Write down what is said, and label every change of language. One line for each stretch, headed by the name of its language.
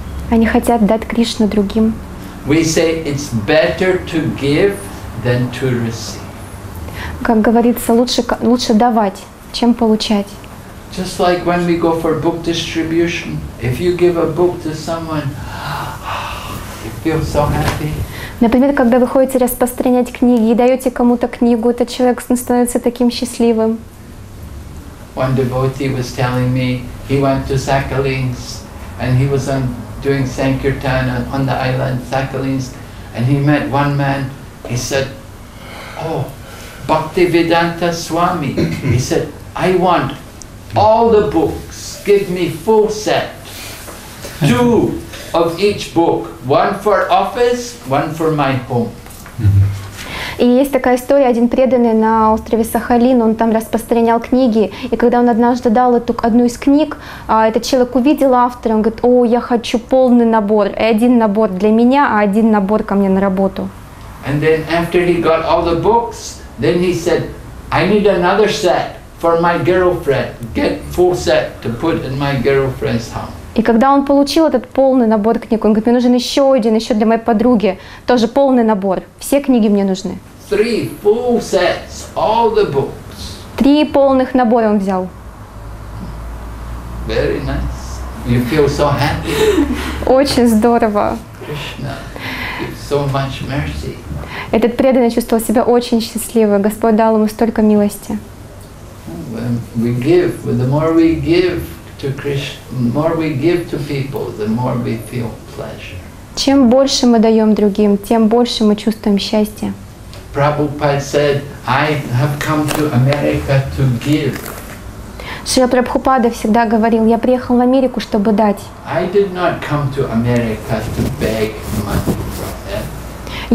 Russian: Они хотят дать Кришну другим.
English: We say it's better to give than to receive.
Russian: Как говорится, лучше давать, чем получать.
English: Just like when we go for book distribution, if you give a book to someone, you feel so happy.
Russian: Например, когда вы ходите распространять книги и даете кому-то книгу, этот человек становится таким счастливым.
English: One devotee was telling me he went to Sakhalins and he was doing Sankirtan on the island Sakhalins and he met one man. He said, oh, Bhaktivedanta Swami. He said, I want all the books. Give me full set. Two of each book. One for office, one for my home.
Russian: И есть такая история, один преданный на острове Сахалин, он там распространял книги, и когда он однажды дал эту одну из книг, этот человек увидел автора, он говорит, о, я хочу полный набор, один набор для меня, а один набор ко мне на работу.
English: And then after he got all the books, then he said, I need another set for my girlfriend, get full set to put in my girlfriend's house.
Russian: И когда он получил этот полный набор книг, он говорит, мне нужен еще один, еще для моей подруги. Тоже полный набор. Все книги мне нужны.
English: Three full sets, all the books.
Russian: Три полных набора он взял.
English: Very nice. You feel so happy.
Russian: Очень здорово.
English: Krishna, so much mercy.
Russian: Этот преданный чувствовал себя очень счастливым. Господь дал ему столько милости.
English: When we give, the more we give, to Krishna, more we give to people, the more we feel pleasure.
Russian: Чем больше мы даем другим, тем больше мы чувствуем счастье.
English: Prabhupada said, I have come to America to give.
Russian: Шрила Прабхупада всегда говорил, я приехал в Америку, чтобы дать.
English: I did not come to America to beg money from them.